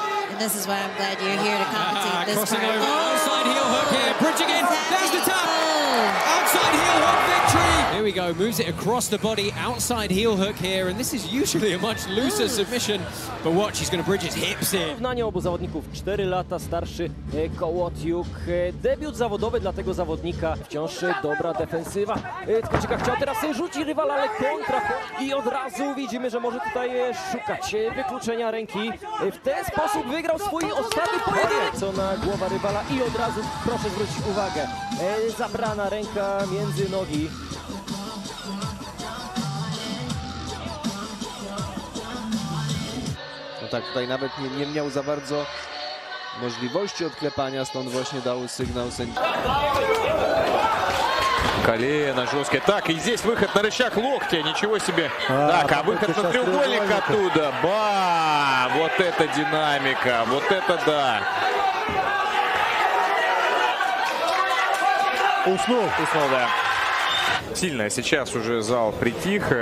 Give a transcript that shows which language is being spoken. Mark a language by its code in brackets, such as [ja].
[en] And this is why I'm glad you're here to compete. Crossing over, outside heel hook here. Bridging in, there's the tap. Outside heel hook victory. Here we go, moves it across the body, outside heel hook here. And this is usually a much looser submission. But watch, he's going to bridge his hips in. [pl] Porównanie obu zawodników, 4 lata starszy Kołodziuk. Debiut zawodowy dla tego zawodnika. Wciąż dobra defensywa. Tkoczyka chciał teraz rzucić rywala, ale kontra. I od razu widzimy, że może tutaj szukać wykluczenia ręki. W ten sposób wygrał swój ostatni pojedynek. Co na głowa rywala i od razu, proszę zwrócić uwagę, zabrana ręka między nogi. No tak, tutaj nawet nie miał za bardzo możliwości odklepania, stąd właśnie dał sygnał sędziemu. [ru] Колено жесткое. Так, и здесь выход на рычаг локтя. Ничего себе. Так, а выход на треугольник оттуда. Ба! Вот это динамика. Вот это да. Уснул. Уснул, да. Сильно. Сейчас уже зал притих.